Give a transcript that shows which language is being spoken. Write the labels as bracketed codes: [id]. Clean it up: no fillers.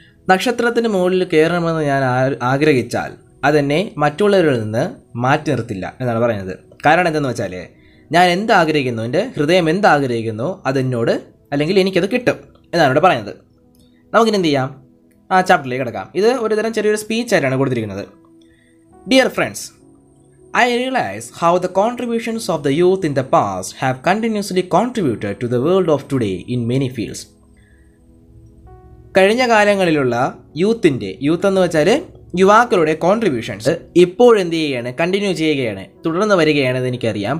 [ml] നക്ഷത്രത്തിന് മുകളിൽ കയറണമെന്ന് ഞാൻ ആഗ്രഹിച്ചാൽ അതെന്നെ മറ്റുള്ളവരിൽ നിന്ന് മാറ്റി നിർത്തില്ല എന്നാണ് പറയുന്നത്. കാരണം എന്തെന്ന് വെച്ചാൽ, ഞാൻ എന്താഗ്രഹിക്കുന്നു, എൻ്റെ ഹൃദയം എന്താഗ്രഹിക്കുന്നു അതെന്നോട് അല്ലെങ്കിൽ എനിക്കത് കിട്ടും എന്നാണ് ഇവിടെ പറയുന്നത്. നമുക്കിനി എന്ത് ചെയ്യാം, ആ ചാപ്റ്ററിലേക്ക് കിടക്കാം. ഇത് ഒരു തരം ചെറിയൊരു സ്പീച്ചായിട്ടാണ് കൊടുത്തിരിക്കുന്നത്. [en] Dear friends, I realize how the contributions of the youth in the past have continuously contributed to the world of today in many fields. [ml] കഴിഞ്ഞ കാലങ്ങളിലുള്ള യൂത്തിൻ്റെ, യൂത്ത് എന്ന് വെച്ചാൽ യുവാക്കളുടെ കോൺട്രിബ്യൂഷൻസ് ഇപ്പോഴും എന്ത് ചെയ്യുകയാണ്, കണ്ടിന്യൂ ചെയ്യുകയാണ്, തുടർന്ന് വരികയാണെന്ന് എനിക്കറിയാം.